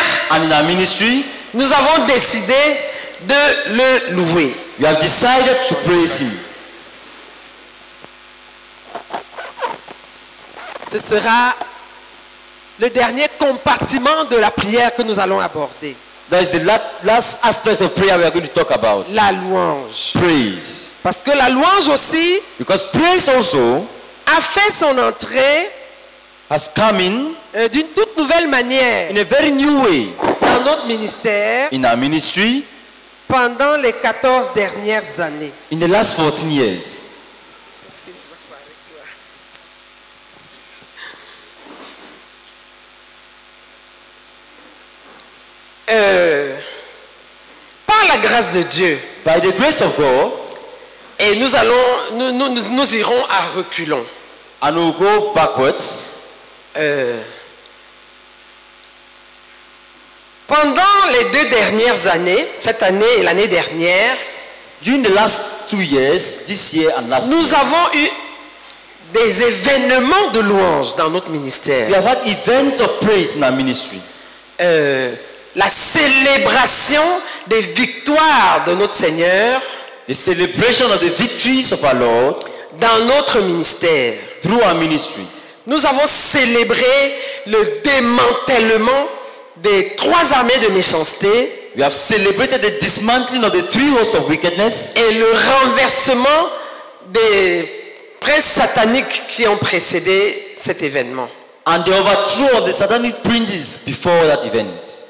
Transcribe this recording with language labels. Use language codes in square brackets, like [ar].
[en] and in our ministry, [fr] nous avons décidé de le louer. [en] We have decided to praise him. [fr] Ce sera le dernier compartiment de la prière que nous allons aborder. [en] That is the last aspect of prayer we are going to talk about. [fr] La louange. [en] Praise. [fr] Parce que la louange aussi, [en] because praise also, [fr] a fait son entrée, [en] has come in, [fr] d'une toute nouvelle manière, [en] in a very new way, [fr] dans notre ministère, [en] in our ministry, [fr] pendant les 14 dernières années, [en] in the last 14 years. [fr] Par la grâce de Dieu. [en] By the grace of God. [fr] Et nous irons à reculons. [en] And we'll go backwards. [fr] Pendant les deux dernières années, cette année et l'année dernière, [en] during the last two years, this year and last, [fr] nous [en] year, [fr] avons eu des événements de louange dans notre ministère. [en] We have had events of praise in our ministry. [fr] La célébration des victoires de notre Seigneur, [en] the celebration of the victories of our Lord, [fr] dans notre ministère, [en] through our ministry. [fr] Nous avons célébré le démantèlement des trois armées de méchanceté. [en] We have celebrated the dismantling of the three hosts of wickedness, [fr] et le renversement des princes sataniques qui ont précédé cet événement, [en] and the overthrow of the satanic princes before that event.